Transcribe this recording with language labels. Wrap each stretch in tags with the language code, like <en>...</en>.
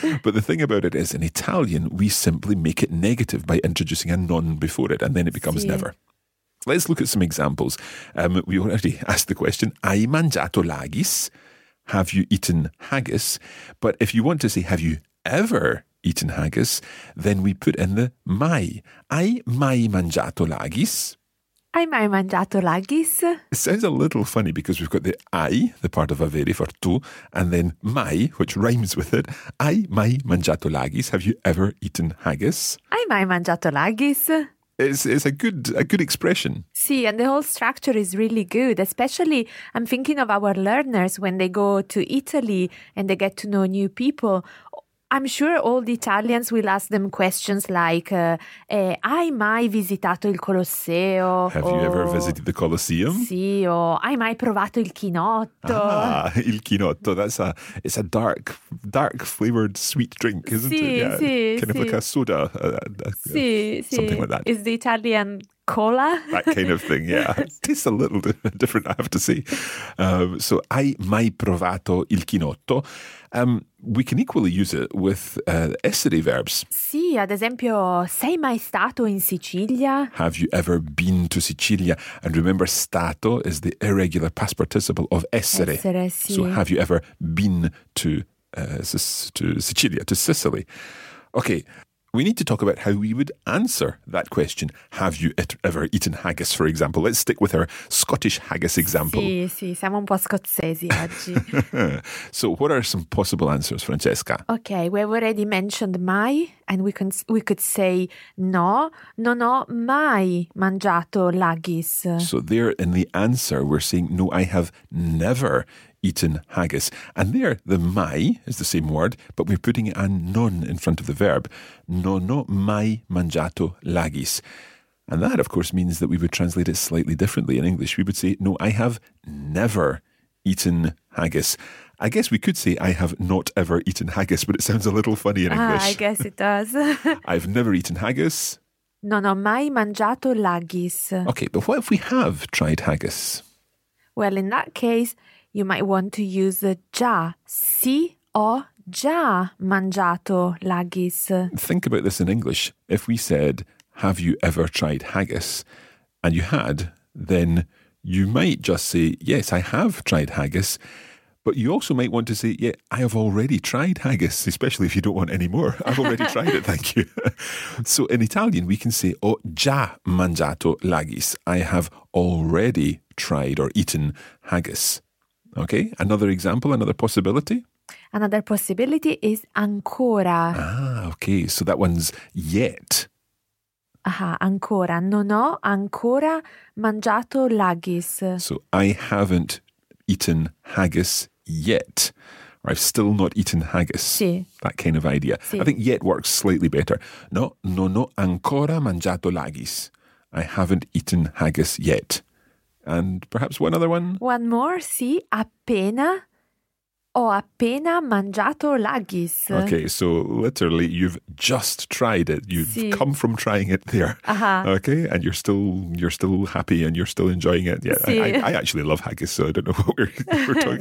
<en>But the thing about it is, in Italian, we simply make it negative by introducing a non before it, and then it becomes</en> <it>sì.</it> <en>Never. Let's look at some examples. We already asked the question,</en> <it>hai mangiato laggis?</it> <en>Have you eaten haggis? But if you want to say, have you ever eaten haggis? Then we put in the mai.</en> <it>Hai mai mangiato laggis? Hai mai mangiato laggis?</it> <en>It sounds a little funny because we've got the hai, the part of avere for tu, and then mai, which rhymes with it.</en> <it>Hai mai mangiato laggis?</it> <en>Have you ever eaten haggis?</en> <it>Hai mai mangiato laggis?</it> <en>It's a good expression. See, and the whole structure is really good, especially I'm thinking of our learners when they go to Italy and they get to know new people. I'm sure all the Italians will ask them questions like,</en> <it>hai mai visitato il Colosseo?</it> <en>Have you ever visited the Colosseum?</en> <it>Sì, o hai mai provato il chinotto?</it> <en>Ah, il chinotto, that's it's a dark, dark flavored sweet drink, isn't</en> <it>sì,</it> <en>it? Yeah, sì, kind</en> <it>sì.</it> <en>of like a soda,</en> <it>sì,</it> <en>something</en> <it>sì.</it> <en>like that. It's the Italian cola. That kind of thing, yeah. It tastes a little different, I have to say. So,</en> <it>hai mai provato il chinotto?</it> <en>We can equally use it with essere verbs.</en> <it>Sì, ad esempio, sei mai stato in Sicilia?</it> <en>Have you ever been to Sicilia? And remember, stato is the irregular past participle of essere.</en> <it>Essere, sì.</it> <en>So, have you ever been to Sicilia, to Sicily? Okay, we need to talk about how we would answer that question. Have you ever eaten haggis, for example? Let's stick with our Scottish haggis example.</en> <it>Sì, sì, siamo un po' scozzesi oggi.</it> <en>So what are some possible answers, Francesca? Okay, we've already mentioned mai, and we could say no,</en> <it>non ho mai mangiato l'haggis.</it> <en>So there in the answer, we're saying no, I have never eaten haggis. And there, the mai is the same word, but we're putting a non in front of the verb.</en> <it>Non ho mai mangiato l'haggis.</it> <en>And that, of course, means that we would translate it slightly differently in English. We would say, no, I have never eaten haggis. I guess we could say, I have not ever eaten haggis, but it sounds a little funny in English. I guess it does. I've never eaten haggis.</en> <it>Non ho mai mangiato l'haggis.</it> <en>Okay, but what if we have tried haggis? Well, in that case, you might want to use the già.</en> <it>Sì, ho già mangiato l'haggis.</it> <en>Think about this in English. If we said, have you ever tried haggis? And you had, then you might just say, yes, I have tried haggis. But you also might want to say, yeah, I have already tried haggis, especially if you don't want any more. I've already tried it, thank you. So in Italian, we can say,</en> <it>ho già mangiato l'haggis.</it> <en>I have already tried or eaten haggis. Okay, another example, another possibility? Another possibility is ancora. Ah, okay, so that one's yet.</en> <it>Aha, ancora. Non ho ancora mangiato l'haggis.</it> <en>So I haven't eaten haggis yet. Or I've still not eaten haggis.</en> <it>Sì.</it> <en>That kind of idea.</en> <it>Sì.</it> <en>I think yet works slightly better.</en> <it>No, non ho ancora mangiato l'haggis.</it> <en>I haven't eaten haggis yet. And perhaps one other one? One more, sì. Appena.</en> <it>Ho appena mangiato l'haggis.</it> <en>Okay, so literally you've just tried it. You've</en> <it>sì.</it> <en>Come from trying it there. Uh-huh. Okay, and you're still happy and you're still enjoying it. Yeah,</en> <it>sì.</it> <en>I actually love haggis, so I don't know what we're talking</en>